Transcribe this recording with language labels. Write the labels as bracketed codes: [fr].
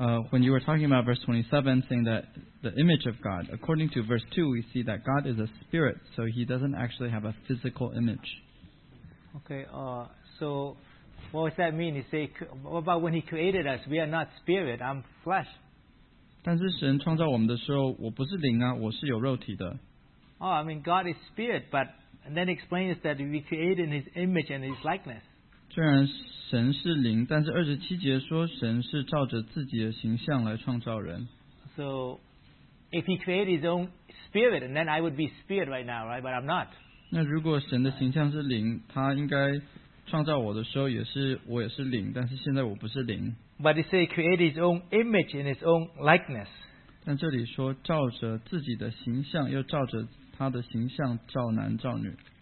[en] when you were talking about verse 27, saying that the image of God, according to verse 2, we see that God is a spirit, so he doesn't actually have a physical image. Okay, so What does that mean? You say, what about when he created us? We are not spirit, I'm flesh. [zh] 但是神创造我们的时候，我不是灵啊，我是有肉体的。 [en] Oh, I mean, God is spirit, but then explains that we created in his image and his likeness. [zh] 虽然神是灵，但是27节说神是照着自己的形象来创造人。 [en] So, if he created his own spirit, and then I would be spirit right now, right? But I'm not. [zh] 那如果神的形象是灵，他应该创造我的时候也是我也是灵，但是现在我不是灵。 [en] But he said he created his own image in his own likeness. [zh] 但这里说照着自己的形象，又照着他的形象造男造女。